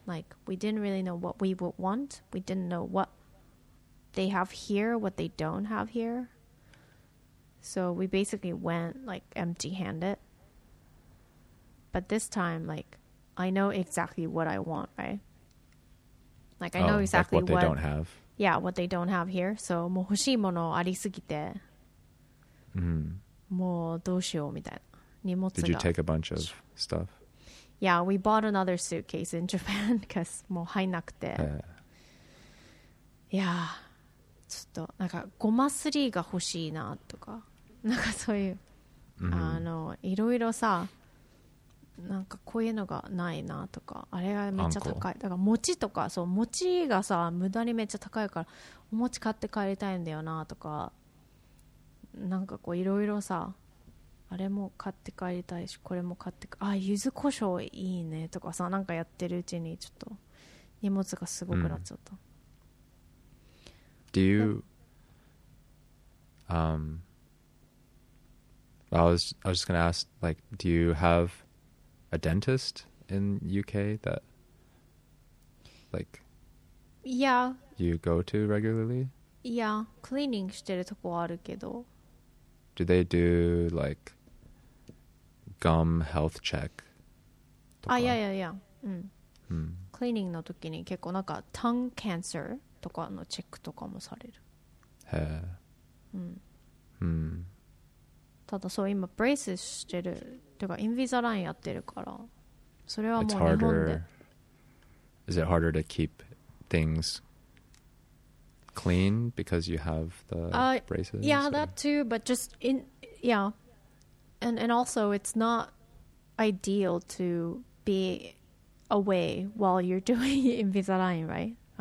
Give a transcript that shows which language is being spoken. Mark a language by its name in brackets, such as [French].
[English] Like, we didn't really know what we would want. We didn't know what they have here, what they don't have here. So we basically went like empty-handed. But this time, like, I know exactly what I want, right? Like, I know exactly like what they don't have. Yeah, what they don't have here. [Japanese] So, もう欲しいものありすぎて、もうどうしようみたいな。荷物が。 [English] Did you take a bunch of stuff? Yeah, we bought another suitcase in Japan because [Japanese] もう入んなくて。 [English] Yeah. [Japanese] ちょっとなんかゴマスリーが欲しいなとかなんかそういう、あのいろいろさなんかこういうのがないなとかあれがめっちゃ高いだから餅とかそう餅がさ無駄にめっちゃ高いからお餅買って帰りたいんだよなとかなんかこういろいろさあれも買って帰りたいしこれも買ってあ柚子胡椒いいねとかさなんかやってるうちにちょっと荷物がすごくなっちゃった、 [English] Do you, I was just going to ask, like, do you have a dentist in UK that, like, yeah, you go to regularly? [Japanese] Yeah, cleaning してるとこあるけど. [English] Do they do, like, gum health check? [Japanese] あ、いやいやいや。Cleaning の時に結構なんか tongue cancer? とかのチェックとかもされる。へえ。ただそう今ブレイスしてるてかインビザラインやってるから、それはもう日本で。 [English] Is it harder to keep things clean because you have the braces? Yeah, that too. But just in yeah, and also it's not ideal to be away while you're doing Invisalign, right?